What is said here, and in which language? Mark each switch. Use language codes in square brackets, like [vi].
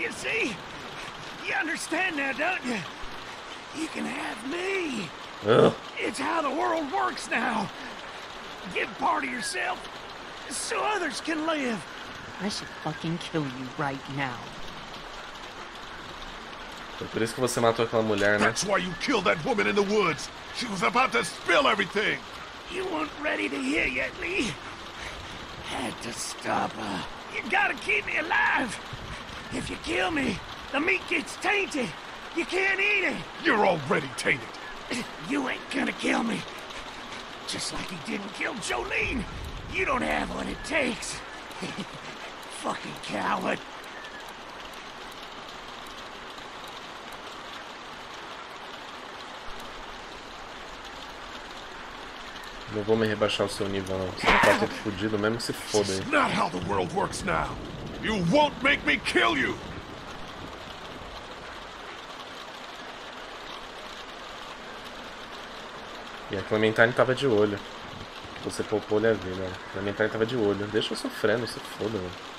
[en] You see? You understand now, don't you? You can have me. It's how the world works now. Give part of yourself so others can live. I should fucking kill you right now. [pt] Foi por isso que você matou aquela mulher, né? [en] That's why you killed that woman in the woods. She was about to spill everything. You weren't ready to hear yet, Lee. Had to stop her. You gotta keep me alive. If you kill me, the meat gets tainted. You can't eat it. You're already tainted. You ain't gonna kill me. Just like he didn't kill Jolene. You don't have what it takes. Fucking coward. [pt] Não vou me rebaixar o seu nível, não. Você tá todo fudido mesmo, que se foda aí. [en] This is not how the world works now. You won't make me kill you. [pt] E a Clementine tava de olho. Você poupou ele a vida. Na minha entrada tava de olho. Deixa eu sofrendo, se foda, mano.